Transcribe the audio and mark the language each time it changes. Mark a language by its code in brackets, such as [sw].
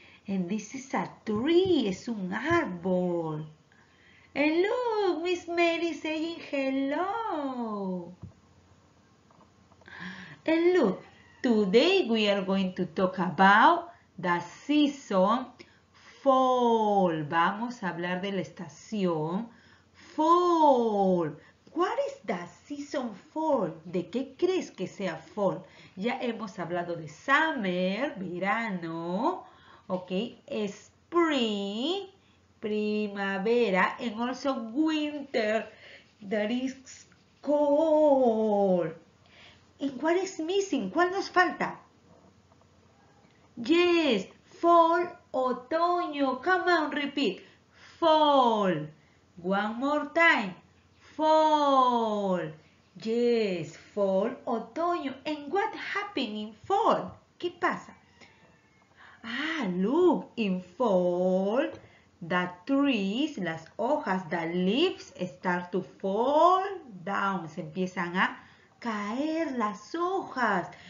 [en] And this is a tree, [es] es un árbol. [en] And look, Miss Mary saying hello. And look, today we are going to talk about the season fall. [es] Vamos a hablar de la estación fall. [en] What is the season fall? [es] ¿De qué crees que sea fall? Ya hemos hablado de summer, verano. [en] Ok, spring, primavera, and also winter, that is cold. And what is missing? [es] ¿Cuál nos falta? [en] Yes, fall, otoño. Come on, repeat. Fall. One more time. Fall. Yes, fall, otoño. And what happened in fall? [es] ¿Qué pasa? [en] Ah, look, in fall, the trees, las hojas, the leaves start to fall down. [es] Se empiezan a caer las hojas.